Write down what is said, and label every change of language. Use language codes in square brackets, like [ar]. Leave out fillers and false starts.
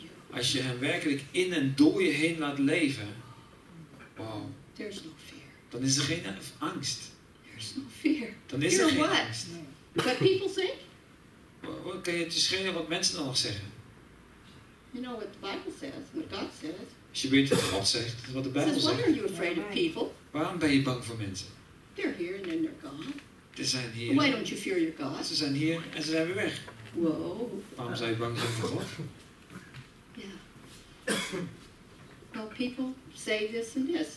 [nl] Als je hem werkelijk in en door je heen laat leven. [en] Wow. There's no fear. [nl] Dan is er geen angst. [en] There's no fear. [nl] Dan is [en] fear [nl] er geen [en] what? [nl] Angst. [en] What people think? [nl] Wat kan je te schelen wat mensen dan nog zeggen? [en] You know what the Bible says, what God says. [nl] Als je weet wat God zegt, wat de Bijbel zegt. [en] Why are you afraid of people? [nl] Waarom ben je bang voor mensen? [en] They're here and then they're gone. [nl] Ze zijn hier. [en] Why don't you fear your God? [nl] Ze zijn hier en ze zijn weer weg. [en] Whoa. [nl] Waarom zou je bang zijn voor God? [en] Yeah. Well, people say this and this.